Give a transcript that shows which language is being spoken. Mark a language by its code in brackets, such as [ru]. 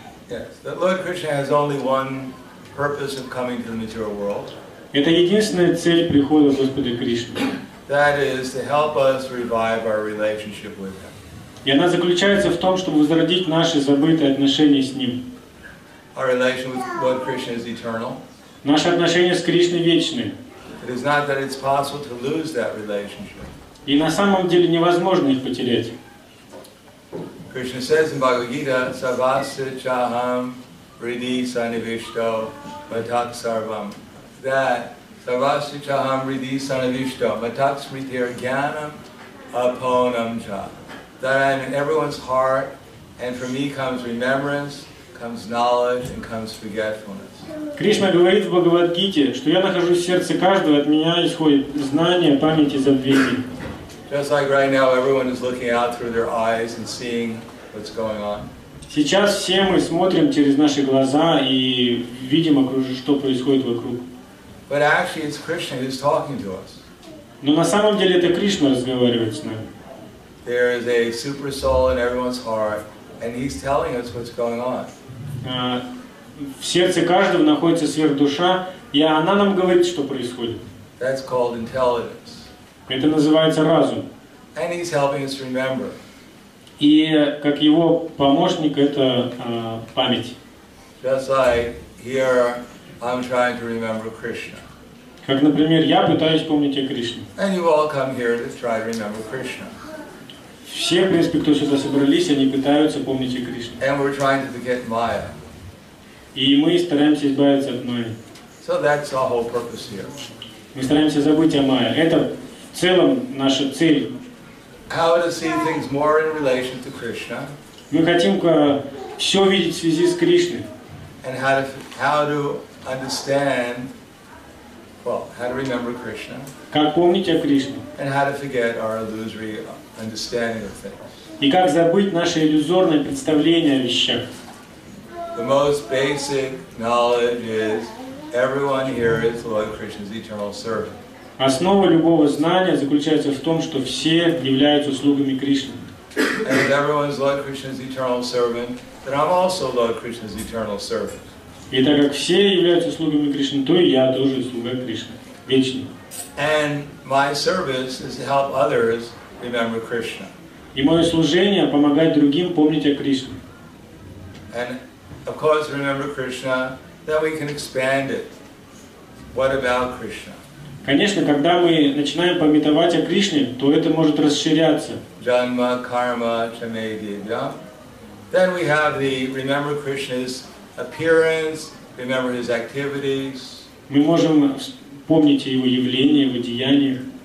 [en] Yes, that Lord Krishna has only one purpose of coming to the material world. [ru] Это единственная цель прихода Господа Кришны. [en] That is to help us revive our relationship with Him. [ru] И она заключается в том, чтобы возродить наши забытые отношения с Ним. [en] Our relationship with Lord Krishna is eternal. [ru] Наши отношения с Кришной вечны. [en] It is not that it's possible to lose that relationship. [ru] И на самом деле невозможно их потерять. [en] Krishna says in Bhagavad Gita, [sa] Sarvasya Chaham Ridhi Sannivishto Matak Sarvam. That Sarvasya Chaham Ridhi Sannivishto Matak Smritir Jnanam Aponam Cha. [en] That I am in everyone's heart, and for me comes remembrance, comes knowledge, and comes forgetfulness. [ru] Krishna говорит в Bhagavad Gita, что я нахожусь в сердце каждого, от меня исходит знание, память и забвение. [en] Just like right now, everyone is looking out through their eyes and seeing what's going on. [ru] Сейчас все мы смотрим через наши глаза и видим, что происходит вокруг. [en] But actually, it's Krishna who's talking to us. [ru] Но на самом деле это Кришна разговаривает с нами. [en] There is a super soul in everyone's heart, and he's telling us what's going on. [ru] В сердце каждого находится сверхдуша, и она нам говорит, что происходит. [en] That's called intelligence. [ru] Это называется разум. [en] And he's helping us remember. [ru] И как его помощник, это память. [en] Just like here, I'm trying to remember Krishna. [ru] Как, например, я пытаюсь помнить о Кришне. [en] And you all come here to try to remember Krishna. [ru] Все, в принципе, кто сюда собрались, они пытаются помнить о Кришне. [en] And we're trying to forget Maya. [ru] И мы стараемся избавиться от Майи. [en] So that's our whole purpose here. [ru] Мы стараемся забыть о Майе. Это в целом наша цель. [en] How to see things more in relation to Krishna. [ru] Мы хотим все видеть в связи с Кришной. [en] And how to understand, well, how to remember Krishna. [ru] Как помнить о Кришне. [en] And how to forget our illusory understanding of things. [ru] И как забыть наше иллюзорное представление о вещах. [en] The most basic knowledge is everyone here is Lord Krishna's eternal servant. [ru] Основа любого знания заключается в том, что все являются слугами Кришны. [en] And if everyone is Lord Krishna's eternal servant, then I'm also Lord Krishna's eternal servant. [ru] И так как все являются слугами Кришны, то и я тоже слуга Кришны, вечный. [en] And my service is to help others remember Krishna. [ru] И мое служение помогать другим помнить о Кришне. [en] And of course, remember Krishna, then we can expand it. What about Krishna? [ru] Конечно, когда мы начинаем памятовать о Кришне, то это может расширяться. [sa] Janma, karma, chamedya. [en] Then we have the remember Krishna's appearance, remember his activities. [ru] Мы можем помнить его явления, его деяния.